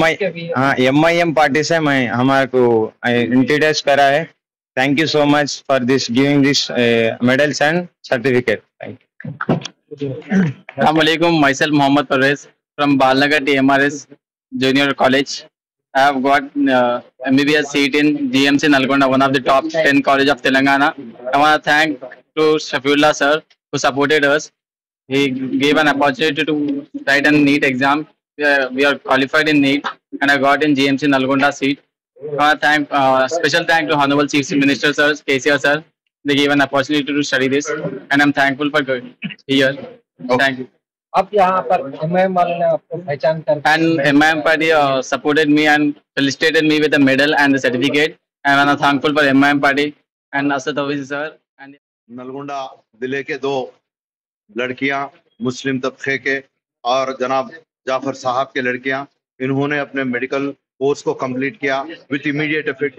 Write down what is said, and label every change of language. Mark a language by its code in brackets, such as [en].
[hi] MIM party से मैं हमारे को इंट्रोड्यूस करा है। [en] Thank you so much for this giving this medals and certificate. अस्सलाम वालेकुम, myself Mohammed Parvez from Balanagar TMRS junior college. I have got MBBS seat in GMC Nalgonda, one of the top 10 college of Telangana. I want to thank to Shafiullah sir who supported us. He gave an opportunity to write a NEET exam. We are qualified in NEET and I got in GMC Nalgonda seat. I want to thank special thank to Honorable Chief Minister sir, KCR sir. They gave an opportunity to study this and I'm thankful for good here. Okay. Thank you. [hi] आप यहाँ पर MIM वाले ने आपको पहचान कर [en] And MIM party supported me and felicitated me with the medal and the certificate and I am thankful for MIM party and Asad Owaisi sir. And [hi] Nalgonda जिले के दो लड़कियां मुस्लिम तबके के और जनाब जाफर साहब के लड़कियां, इन्होंने अपने मेडिकल कोर्स को कंप्लीट किया [en] With immediate effect.